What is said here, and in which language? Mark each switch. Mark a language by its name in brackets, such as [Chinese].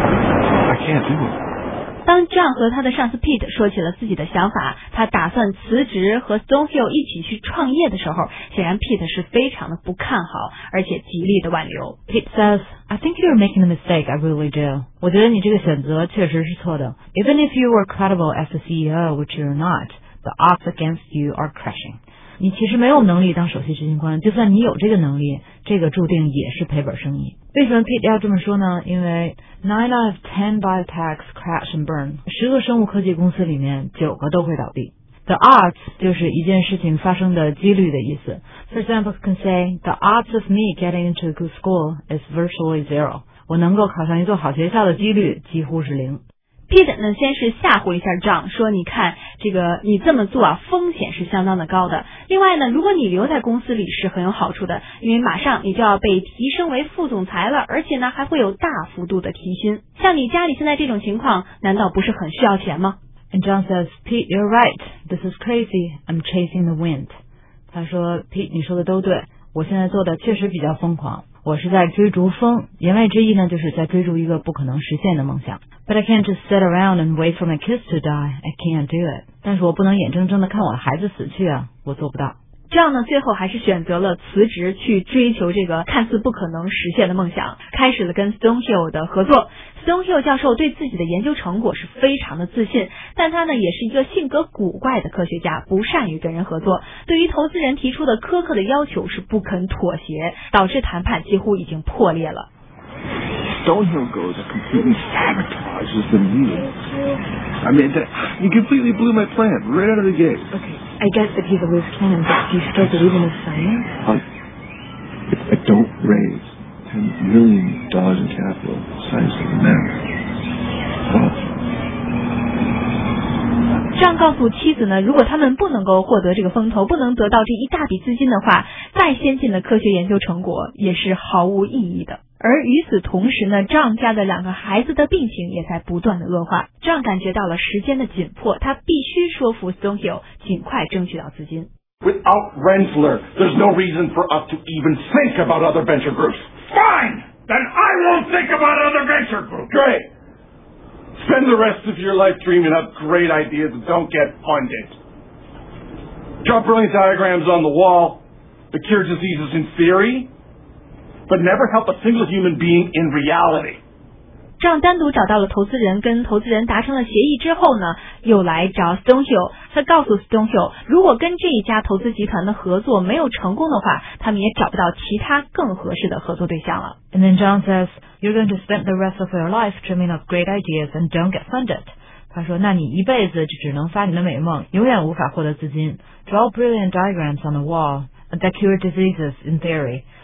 [English] Yeah, [Chinese] 当 John 和他的上司 Pete 说起了自己的想法，他打算辞职和 Stonehill 一起去创业的时候，显然 Pete 是非常的不看好，而且极力的挽留。 [English] Pete says, I think you're making a mistake, I really do. [Chinese] 我觉得你这个选择确实是错的。 [English] Even if you were credible as the CEO, which you're not, the odds against you are crushing. [Chinese] 你其实没有能力当首席执行官，就算你有这个能力，这个注定也是赔本生意。为什么 Pete 要这么说呢？因为 [English] 9 out of 10 biotechs crash and burn. [Chinese] 十个生物科技公司里面九个都会倒闭。 The odds 就是一件事情发生的几率的意思。 [English] For example, you can say, the odds of me getting into a good school is virtually zero. [Chinese] 我能够考上一座好学校的几率几乎是零。 Pete 呢先是吓唬一下 John, 说你看这个你这么做啊风险是相当的高的。另外呢如果你留在公司里是很有好处的，因为马上你就要被提升为副总裁了，而且呢还会有大幅度的提薪。像你家里现在这种情况难道不是很需要钱吗？ [English] And John says, Pete, you're right. This is crazy. I'm chasing the wind. [Chinese] 他说 Pete, 你说的都对，我现在做的确实比较疯狂。我是在追逐风，言外之意呢就是在追逐一个不可能实现的梦想。 [English] But I can't just sit around and wait for my kids to die. I can't do it. [Chinese] 但是我不能眼睁睁地看我的孩子死去啊，我做不到。这样呢最后还是选择了辞职去追求这个看似不可能实现的梦想，开始了跟 Stonehill 的合作。 Stonehill 教授对自己的研究成果是非常的自信，但他呢也是一个性格古怪的科学家，不善于跟人合作，对于投资人提出的苛刻的要求是不肯妥协，导致谈判几乎已经破裂了。 [English] Stonehill goes and completely sabotages the meeting. I mean, he completely blew my plan right out of the gate. Okay, I guess that he's a loose cannon, but do you still believe in his science? If I don't raise $10 million in capital, science doesn't matter. Well, [Chinese] John 告诉妻子呢，如果他们不能够获得这个风投，不能得到这一大笔资金的话，再先进的科学研究成果也是毫无意义的。而与此同时呢， John 家的两个孩子的病情也在不断的恶化， John 感觉到了时间的紧迫，他必须说服 Stonehill 尽快争取到资金。 [English] Without Rensselaer, there's no reason for us to even think about other venture groups. Fine! Then I won't think about other venture groups. Great! Spend the rest of your life dreaming up great ideas that don't get funded. Draw brilliant diagrams on the wall that cure diseases in theory, but never help a single human being in reality. [Chinese] John 单独找到了投资人，跟投资人达成了协议之后呢，又来找 Stonehill。他告诉 Stonehill， 如果跟这一家投资集团的合作没有成功的话，他们也找不到其他更合适的合作对象了。 [English] And then John says, "You're going to spend the rest of your life dreaming of great ideas and don't get funded." [Chinese] 他说，那你一辈子就只能发你的美梦，永远无法获得资金。 [English] Draw brilliant diagrams on the wall that cure diseases in theory.